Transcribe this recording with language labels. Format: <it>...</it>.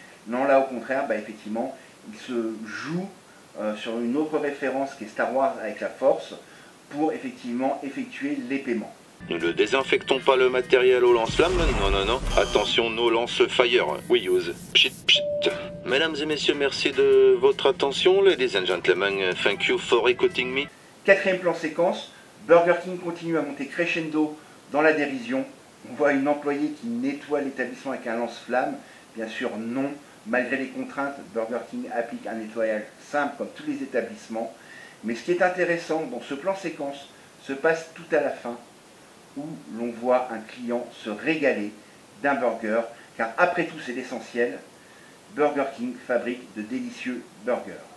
<fr>Non, là, au contraire, bah, effectivement, ils se jouent sur une autre référence qui est Star Wars avec la Force pour effectivement effectuer les paiements. Ne le désinfectons pas le matériel au lance-flammes. Non, non, non. Attention, nos lance-fire.</fr> <en>We use.</en> <fr>Pchit, pchit. Mesdames et messieurs, merci de votre attention.</fr> <en>Ladies and gentlemen, thank you for écouting me.</en> <fr>Quatrième plan séquence. Burger King continue à monter crescendo dans la dérision. On voit une employée qui nettoie l'établissement avec un lance-flammes. Bien sûr, non. Malgré les contraintes, Burger King applique un nettoyage simple comme tous les établissements. Mais ce qui est intéressant dans ce plan séquence se passe tout à la fin, où l'on voit un client se régaler d'un burger, car après tout c'est l'essentiel, Burger King fabrique de délicieux burgers.</fr>